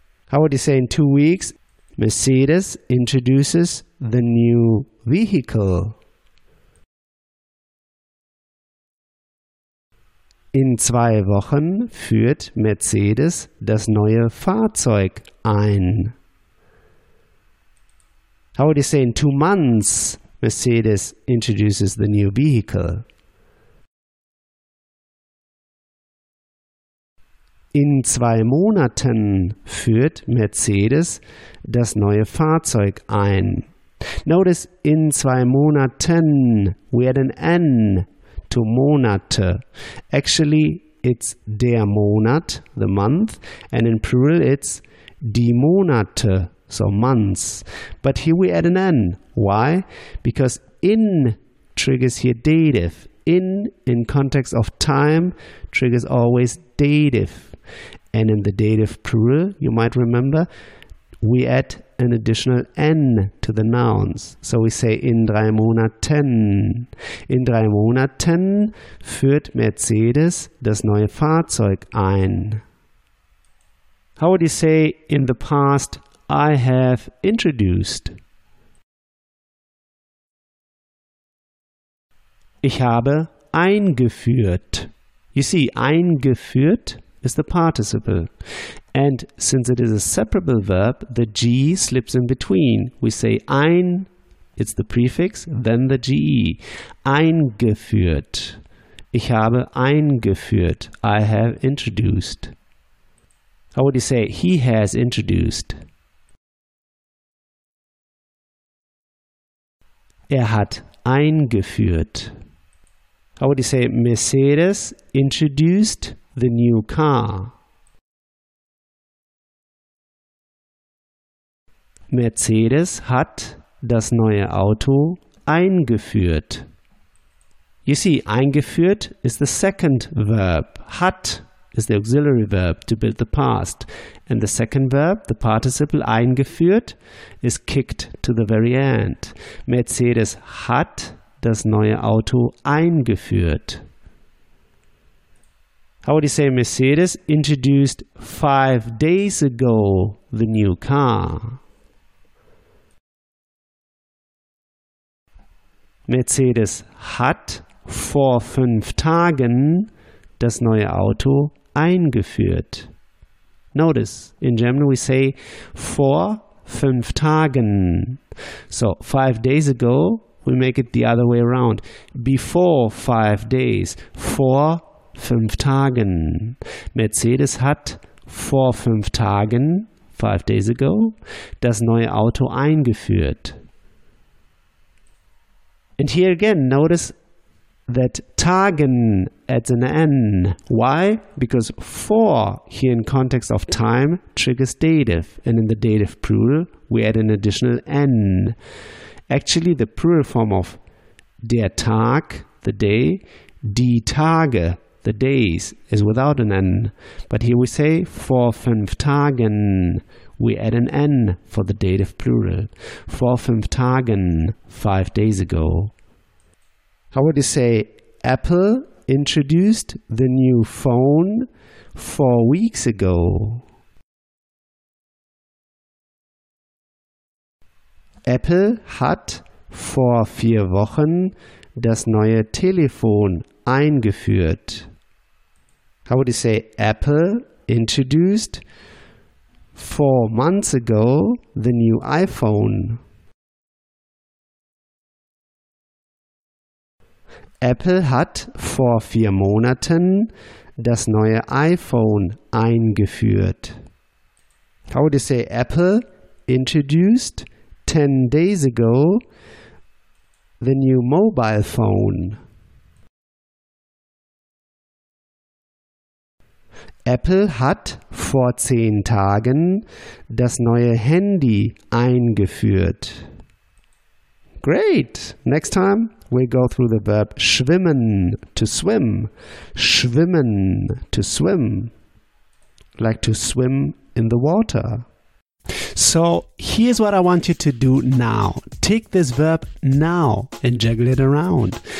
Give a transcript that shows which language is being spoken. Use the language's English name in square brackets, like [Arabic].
[English] How would you say in 2 weeks Mercedes introduces the new vehicle? [German] In 2 Wochen führt Mercedes das neue Fahrzeug ein. [English] How would you say in 2 months Mercedes introduces the new vehicle? [German] In 2 Monaten führt Mercedes das neue Fahrzeug ein. [English] Notice, [German] in 2 Monaten, [English] we add an N to Monate. Actually, it's der Monat, the month, and in plural it's die Monate, so months. But here we add an N. Why? Because in triggers here dative. In context of time, triggers always dative. And in the dative plural, you might remember, we add an additional N to the nouns. So we say [German] in 3 Monaten. In 3 Monaten führt Mercedes das neue Fahrzeug ein. [English] How would you say in the past I have introduced? [German] Ich habe eingeführt. [English] You see, eingeführt is the participle. And since it is a separable verb, the G slips in between. We say ein, it's the prefix, then the GE. [German] Eingeführt. Ich habe eingeführt. [English] I have introduced. How would you say he has introduced? [German] Er hat eingeführt. [English] How would you say Mercedes introduced the new car? [German] Mercedes hat das neue Auto eingeführt. [English] You see, eingeführt is the second verb. Hat is the auxiliary verb to build the past. And the second verb, the participle eingeführt, is kicked to the very end. [German] Mercedes hat das neue Auto eingeführt. [English] How would you say Mercedes introduced 5 days ago the new car? [German] Mercedes hat vor 5 Tagen das neue Auto eingeführt. [English] Notice, in German we say [German] vor 5 Tagen. [English] So, 5 days ago, we make it the other way around. Before 5 days. [German] Vor 5 Tagen. Mercedes hat vor 5 Tagen, [English] 5 days ago, [German] das neue Auto eingeführt. [English] And here again, notice that Tagen adds an N. Why? Because vor, here in context of time, triggers dative. And in the dative plural, we add an additional N. Actually, the plural form of der Tag, the day, die Tage, the days, is without an N. But here we say [German] vor 5 Tagen. [English] We add an N for the dative plural. [German] Vor 5 Tagen, [English] 5 days ago. How would you say Apple introduced the new phone 4 weeks ago? [German] Apple hat vor 4 Wochen das neue Telefon eingeführt. [English] How would you say Apple introduced 4 months ago the new iPhone. [German] Apple hat vor 4 Monaten das neue iPhone eingeführt. [English] How would you say Apple introduced 10 days ago the new mobile phone? [German] Apple hat vor 10 Tagen das neue Handy eingeführt. [English] Great! Next time we go through the verb schwimmen, to swim. Schwimmen, to swim. Like to swim in the water. So here's what I want you to do now. Take this verb now and juggle it around.